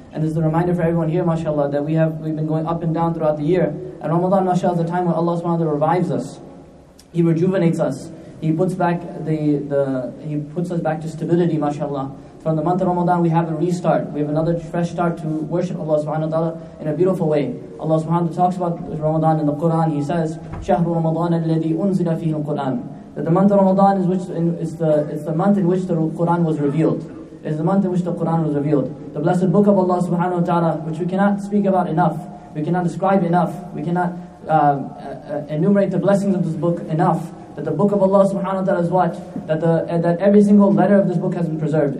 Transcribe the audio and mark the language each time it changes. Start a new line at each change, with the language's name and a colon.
English: And this is a reminder for everyone here, mashallah, that we've been going up and down throughout the year. And Ramadan, mashallah, is the time when Allah subhanahu wa ta'ala revives us. He rejuvenates us. He puts back He puts us back to stability, mashallah. From the month of Ramadan, we have a restart. We have another fresh start to worship Allah subhanahu wa ta'ala in a beautiful way. Allah subhanahu wa ta'ala talks about Ramadan in the Quran. He says,
Arabic: شَهْرُ رَمَضَانَ الَّذِي أُنزِلَ فِيهِ الْقُرْآنِ.
English: That the month of Ramadan is the month in which the Quran was revealed. It is the month in which the Quran was revealed. The blessed book of Allah subhanahu wa ta'ala, which we cannot speak about enough, we cannot describe enough, we cannot enumerate the blessings of this book enough. That the book of Allah subhanahu wa ta'ala is what? That every single letter of this book has been preserved.